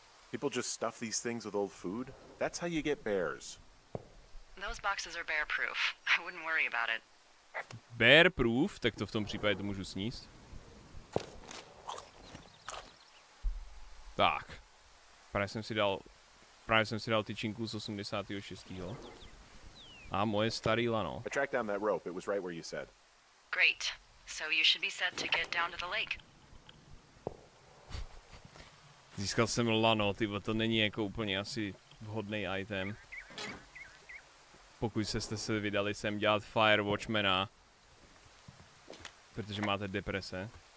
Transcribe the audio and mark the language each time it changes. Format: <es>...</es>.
<en>People just stuff these things with old food? That's how you get bears. Those boxes are bear proof. I wouldn't worry about it. Bear proof?</en> <cs>Tak to v tom případě to můžu sníst. Tak. Právě jsem si dal tyčinku z 86. A moje starý lano.</cs> <en>I tracked down that rope. It was right where you said. Great. So you should be set to get down to the lake.</en> <cs>Získal jsem lano, tyvo, to není jako úplně asi vhodný item. Pokud jste se vydali sem dělat Fire Watchmana. Protože máte deprese.</cs>